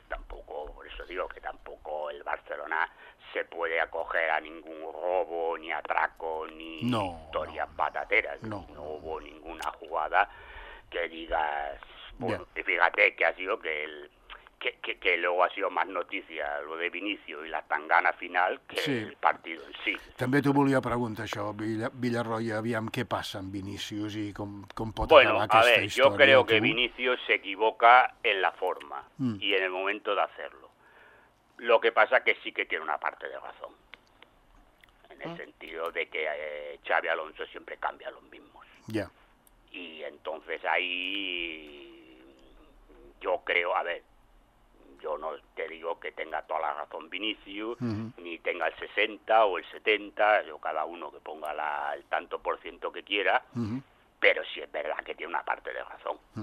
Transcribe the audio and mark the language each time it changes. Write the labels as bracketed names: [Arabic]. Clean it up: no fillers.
[Spanish] Tampoco, por eso digo que tampoco el Barcelona se puede acoger a ningún robo, ni atraco, ni historias patateras. No hubo ninguna jugada que digas... Bueno, y fíjate que ha sido que el... Que luego ha sido más noticia lo de Vinicius i la tangana final que el partido en sí. [Catalan] També t'ho volia preguntar, això, Villarroya, aviam què passa amb Vinicius i com pot acabar aquesta història. [Spanish] Bueno, a ver, yo creo que Vinicius se equivoca en la forma y en el momento de hacerlo. Lo que pasa que sí que tiene una parte de razón. En el sentido de que Xavi Alonso siempre cambia los mismos. Ya. Yeah. Y entonces ahí yo creo, a ver, yo no te digo que tenga toda la razón Vinicius, ni tenga el 60 o el 70, yo cada uno que ponga el tanto por ciento que quiera, pero sí es verdad que tiene una parte de razón.